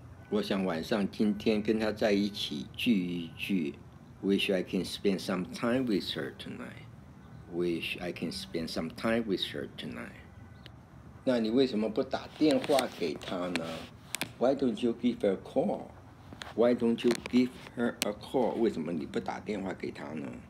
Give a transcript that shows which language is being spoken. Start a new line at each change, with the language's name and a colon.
Chinese: 我想晚上今天跟她在一起聚一聚。
English: Wish I can spend some time with her tonight. Wish I can spend some time with her tonight.
Chinese: 那你为什么不打电话给她呢？
English: Why don't you give her a call? Why don't you give her a call?
Chinese: 为什么你不打电话给她呢？